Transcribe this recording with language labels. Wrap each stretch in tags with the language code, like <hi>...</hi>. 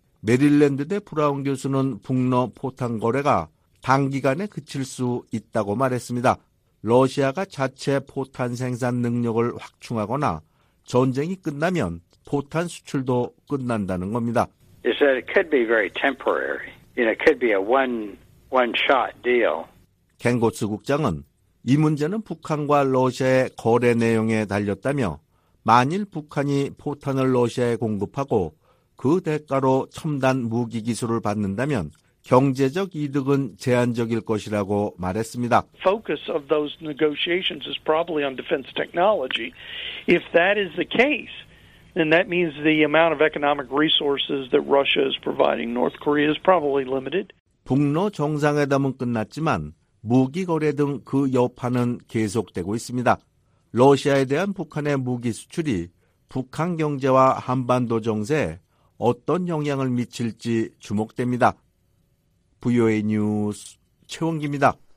<ko>메릴랜드 대 브라운 교수는 북러 포탄 거래가 단기간에 그칠 수 있다고 말했습니다. 러시아가 자체 포탄 생산 능력을 확충하거나 전쟁이 끝나면 포탄 수출도 끝난다는 겁니다.</ko> <en>It said it could be very temporary. You know, it could be a one-shot deal.</en> <ko>켄고츠 국장은 이 문제는 북한과 러시아의 거래 내용에 달렸다며 만일 북한이 포탄을 러시아에 공급하고 그 대가로 첨단 무기 기술을 받는다면 경제적 이득은 제한적일 것이라고 말했습니다.</ko> <en>Focus of those negotiations is probably on defense technology. If that is the case, then that means the amount of economic resources that Russia is providing North Korea is probably limited.</en> <ko>북러 정상회담은 끝났지만 무기 거래 등 그 여파는 계속되고 있습니다. 러시아에 대한 북한의 무기 수출이 북한 경제와 한반도 정세에 어떤 영향을 미칠지 주목됩니다. VOA 뉴스 최원기입니다.</ko>